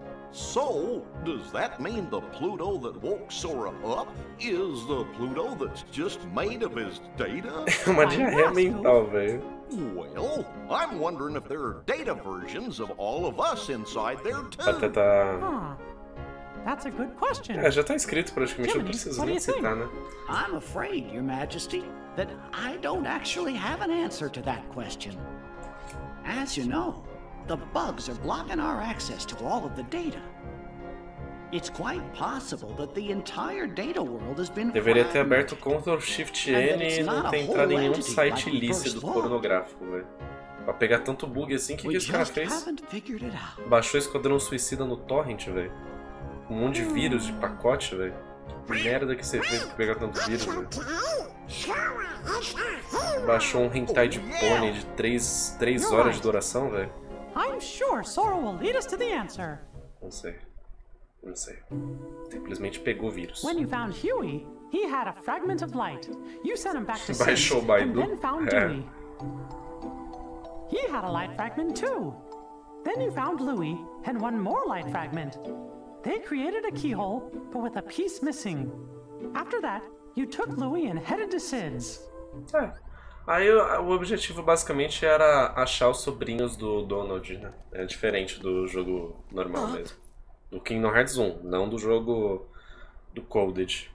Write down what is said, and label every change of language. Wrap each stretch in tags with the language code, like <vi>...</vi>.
<en>So, does that mean the Pluto that woke Sora up is the Pluto that's just made of his data? Imagine him being over. Well, I'm wondering if there are data versions of all of us inside there too.</en> <pt>Até tá...</pt> <en>That's a good question.</en> <pt>É, já tá escrito praticamente, não preciso nem citar, né?</pt> <en>I'm afraid, Your Majesty, that I don't actually have an answer to that question. As you know, the bugs are blocking our access to all of the data. It's quite possible that the entire data world has been fragmented.</en> <pt>Deveria ter aberto Ctrl Shift N e não ter entrado em nenhum site ilícito pornográfico, velho. Pra pegar tanto bug assim, que esse cara fez? Baixou Esquadrão Suicida no torrent, velho. Um monte de vírus de pacote, velho. Que merda que você fez pra pegar tanto vírus, velho. Baixou um hentai de pônei de 3 horas de duração, velho.</pt> <en>I'm sure Sora will lead us to the answer.</en> <pt>Não sei. Simplesmente pegou o vírus.</pt> <en>When you found Huey, he had a fragment of light. You sent him back to Sinnoh and then found Dewey. He had a light fragment too. Then you found Louie and one more light fragment. They created a keyhole, but with a piece missing. After that, you took Louie and headed to Sid's.</en> <pt>Aí o objetivo basicamente era achar os sobrinhos do Donald, né? É diferente do jogo normal mesmo. Do Kingdom Hearts 1, não do jogo do Coded.</pt>